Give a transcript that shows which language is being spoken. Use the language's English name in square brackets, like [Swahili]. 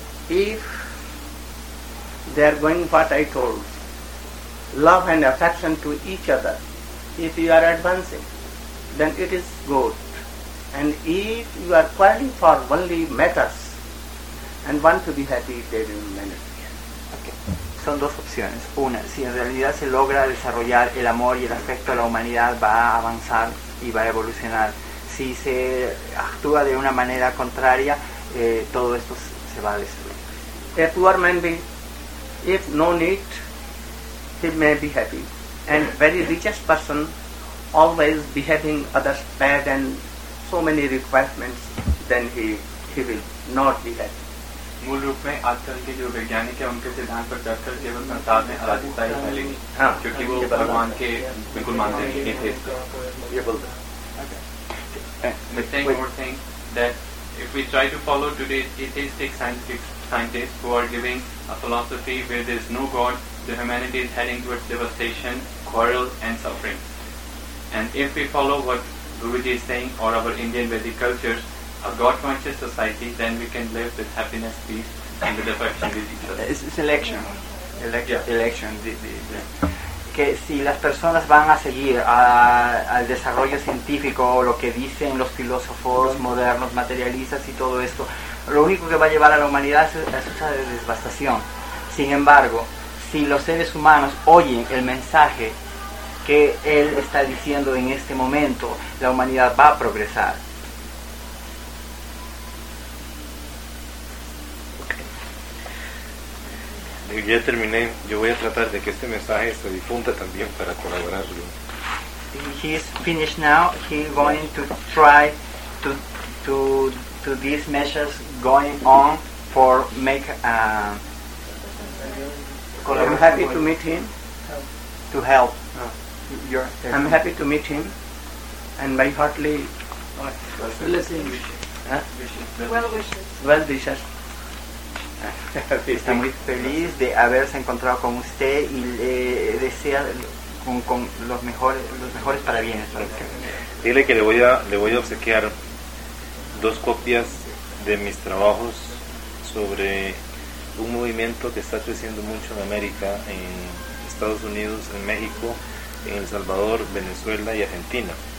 [English] If they are going what I told. Love and affection to each other. If you are advancing, then it is good. And if you are planning for only matters and want to be happy, then you manage. [Spanish] Okay. Son dos opciones. Una, si en realidad se logra desarrollar el amor y el afecto a la humanidad, va a avanzar y va a evolucionar. Si se actúa de una manera contraria, todo esto se va a destruir. [English] A poor man be, if no need, he may be happy, and very richest person always behaving others bad and so many requirements, then he will not be happy. [Hindi] मूल रूप में आजकल के जो वैज्ञानिक हैं उनके सिद्धांत पर चलकर केवल संसार में अराजकता ही फैलेगी क्योंकि वो भगवान के बिल्कुल मानते नहीं थे. ये बोलते हैं. [English] The thing more thing that if we try to follow today's atheistic scientists who are giving a philosophy where there is no God, the humanity is heading towards devastation, quarrel and suffering. And if we follow what Guruji is saying or our Indian Vedic cultures, a God-conscious society, then we can live with happiness, peace and with affection with each other. It's election. Election. [Spanish] Que si las personas van a seguir al desarrollo científico o lo que dicen los filósofos modernos, materialistas y todo esto, lo único que va a llevar a la humanidad es esa devastación. Sin embargo, si los seres humanos oyen el mensaje que él está diciendo en este momento, la humanidad va a progresar. [English] Okay. [Spanish] ya terminé. Yo voy a tratar de que este mensaje se difunda también para colaborarlo. [English] He's finished now. He's going to try to these measures going on for make. I'm happy to meet him. To help. I'm happy to meet him, and my heartly blessing. Well wishes. [Spanish] Está muy feliz de haberse encontrado con usted y le desea con los mejores parabienes. Dile que le voy a obsequiar dos copias de mis trabajos sobre un movimiento que está creciendo mucho en América, en Estados Unidos, en México, en El Salvador, Venezuela y Argentina.